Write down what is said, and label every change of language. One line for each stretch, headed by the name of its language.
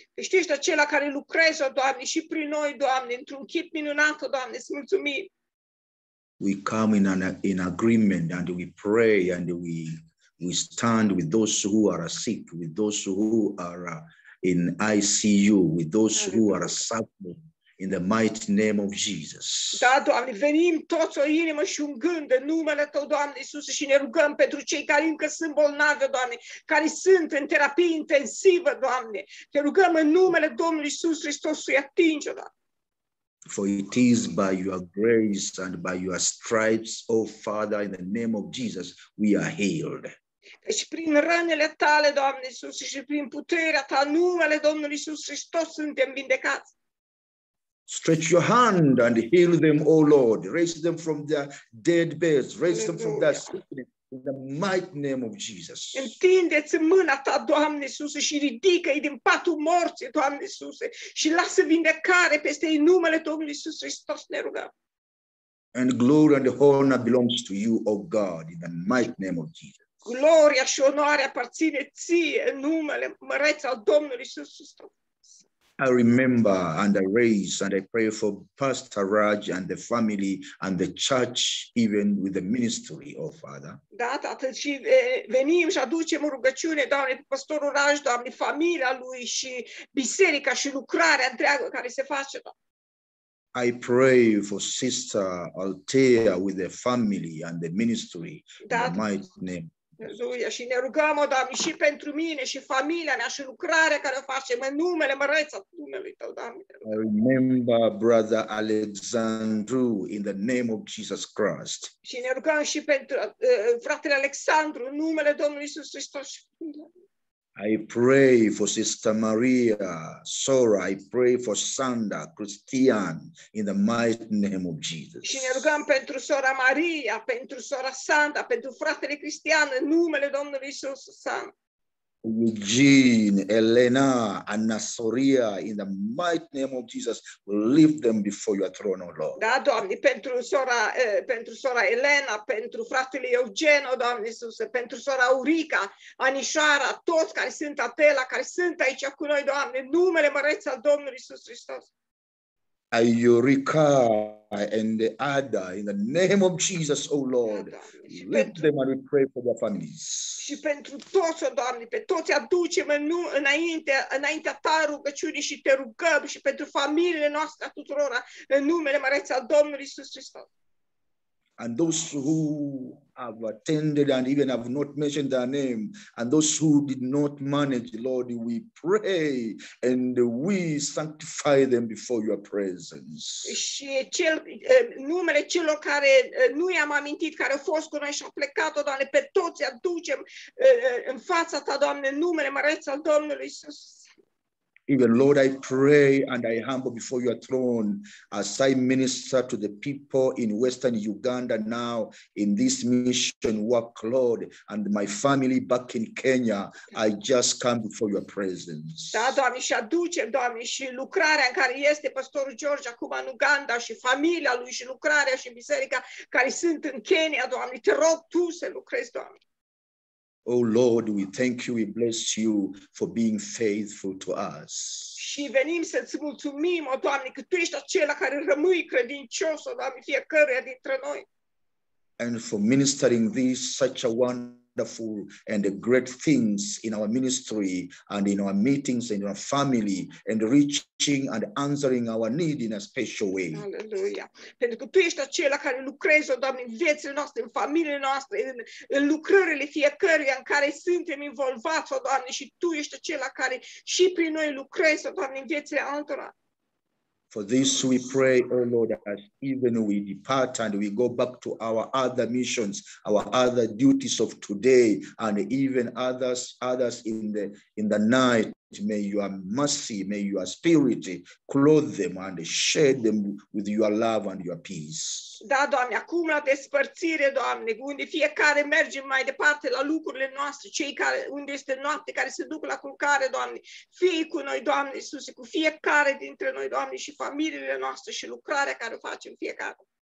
Romanian: Căci Tu ești acela care lucrează, Doamne, și prin noi, Doamne, într-un chip minunat, Doamne, îți mulțumim.
English: We come in agreement and we pray and we stand with those who are sick, with those who are in ICU, with those who are suffering. In the mighty name of Jesus.
Romanian: Da, Doamne, venim toți o inimă și un gând în numele Tău, Doamne Iisus, și ne rugăm pentru cei care încă sunt bolnavi, Doamne, care sunt în terapie intensivă, Doamne. Te rugăm în numele Domnului Iisus Hristos să-i atingi, Doamne.
English: For it is by Your grace and by Your stripes, O Father, in the name of Jesus, we are healed.
Romanian: Și prin rănile Tale, Doamne Iisus, și prin puterea Ta, numele Domnului Iisus Hristos, suntem vindecați.
English: Stretch Your hand and heal them, O Lord. Raise them from their dead beds. Raise Hallelujah. Them from their sickness in the mighty name of Jesus.
Romanian: Întinde-ți mâna Ta, Doamne Iisuse, și ridică-i din patul morții, Doamne Iisuse, și lasă vindecare peste ei numele Domnului Iisus Hristos, ne rugăm.
English: And glory and honor belongs to You, O God, in the mighty name of Jesus.
Romanian: Gloria și onoarea aparține Ție, în numele măreț al Domnului Iisus Hristos.
English: I remember and I raise and I pray for Pastor Raj and the family and the church, even with the ministry, O Father.
Romanian: Da, Tată, și venim și aducem rugăciune, Doamne, Pastorul Raj, Doamne, familia lui și biserica și lucrarea întreagă care se face, Doamne.
English: I pray for Sister Altea with the family and the ministry, da, in my name.
Romanian: Aleluia. Și ne rugăm, O Doamne, și pentru mine și familia mea și lucrarea care o facem în numele măreța numelui Tău, Doamne.
English: I remember Brother Alexandru in the name of Jesus Christ.
Romanian: Și ne rugăm și pentru fratele Alexandru în numele Domnului Iisus Hristos.
English: I pray for Sister Maria, Sora, I pray for Sandra, Christian, in the mighty name of Jesus.
Romanian: Și ne rugăm pentru Sora Maria, pentru Sora Sandra, pentru fratele Cristian, în numele Domnului Iisus, Sandra.
English: Eugene, Elena, Anna Soria, in the mighty name of Jesus, lift them before Your throne, O Lord.
Romanian: Da, Doamne, pentru sora Elena, pentru fratele Eugeno, Doamne Iisus, pentru sora Aurica, Anișoara, toți care sunt atela, care sunt aici cu noi, Doamne, numele măreț al Domnului Iisus Hristos.
English: Iurica and Ada, in the name of Jesus, O Lord, lift them and we pray for their families.
Romanian: Și pentru toți, Doamne, pe toți aducem înaintea Ta rugăciunii și Te rugăm și pentru familiile noastre tuturora, în numele măreț al Domnului Iisus Hristos.
English: And those who have attended and even have not mentioned their name, and those who did not manage, Lord, we pray and we sanctify them before Your presence.
Romanian: Și numele celor care nu i-am amintit, care au fost cu noi și au plecat, Doamne, pe toți aducem în fața Ta, Doamne, numele măreț al Domnului Iisus.
English: Even Lord, I pray and I humble before Your throne as I minister to the people in Western Uganda now in this mission work, Lord, and my family back in Kenya. I just come before Your presence.
Romanian: Da, Doamne, și aducem, Doamne, și lucrarea în care este pastorul George acum în Uganda și familia lui și lucrarea și biserica care sunt în Kenya, Doamne, Te rog Tu să lucrezi, Doamne.
English: Oh Lord, we thank You, we bless You for being faithful to us.
Romanian: Și venim să-ți mulțumim, O Doamne, că Tu ești acela care rămâi credincios, O Doamne, fiecăruia dintre noi.
English: And for ministering this such a wonderful wonderful and great things in our ministry and in our meetings and in our family and reaching and answering our need in a special way. Hallelujah.
Romanian: Pentru că tu ești acela care lucrezi, o Doamne, în viețile noastre, în familiile noastre, în lucrările fiecăruia în care suntem involvați, o Doamne, și tu ești acela care și prin noi lucrezi, o Doamne, în viețile altora.
English: For this we pray, O Lord, as even we depart and we go back to our other missions, our other duties of today, and even others in the night, may your mercy, may your spirit clothe them and shed them with your love and your peace.
Romanian: Da, Doamne, acum la despărțire, Doamne, unde fiecare merge mai departe la lucrurile noastre, cei care, unde este noapte, care se duc la culcare, Doamne, fii cu noi, Doamne Iisuse, cu fiecare dintre noi, Doamne, și familiile noastre și lucrarea care o facem fiecare.